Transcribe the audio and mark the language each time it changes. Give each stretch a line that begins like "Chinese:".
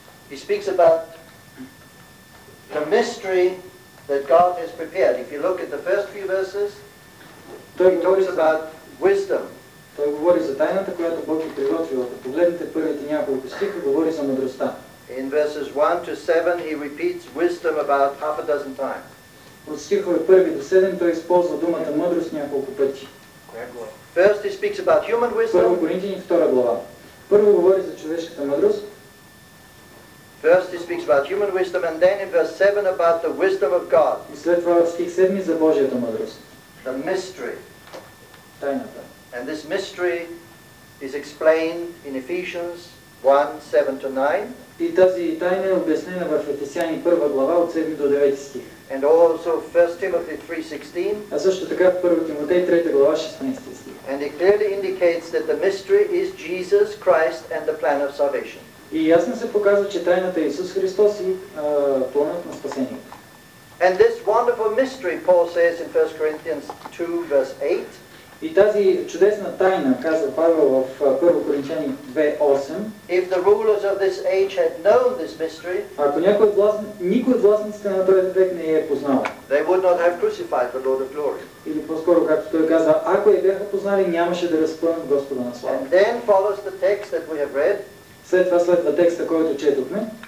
English: He speaks about the mystery that God has prepared. If you look at the first few verses,
Bulgarian: Той говори за wisdom. Той говори за тайната, която Бог е приготвил. Ако погледнете първите няколко стиха, говори за мъдростта.
English: In verses 1 to 7 he repeats wisdom about half a dozen times.
Bulgarian: От стихове 1 до 7 той използва думата мъдрост няколко пъти.
English: First he speaks about human wisdom.
Bulgarian: Първо Коринтияни 2 глава. Първо говори за човешката мъдрост.
English: First he speaks about human wisdom and then in verse 7 about the wisdom of God.
Bulgarian: И след това в стих 7 за Божията мъдрост.
English: The mystery.
Bulgarian: Тайната.
English: And this mystery is explained in Ephesians 1, 7 to 9.
Bulgarian: И тази тайна е обяснена в Ефесяни 1 глава от 7 до 9 стих.
English: And also 1 Timothy 3:16.
Bulgarian: А също така в 1 Тимотей 3 глава 16 стих.
English: And it clearly indicates that the mystery is Jesus Christ and the plan of salvation.
Bulgarian: И ясно се показва, че тайната е Исус Христос и планът на спасението.
English: And this wonderful mystery Paul says in 1 Corinthians 2 verse 8.
Bulgarian: И тази чудесна тайна, казва Павел в 1 Коринтияни 2:8.
English: If the rulers of this age had known this mystery,
Bulgarian: ако никой от властниците на този век не е познал,
English: they would not have crucified the Lord of glory.
Bulgarian: Или по-скоро, както той каза, ако я бяха познали, нямаше да разпънат Господа на слава.
English: And then follows the text that we have read.
Bulgarian: След това следва текста, който четохме.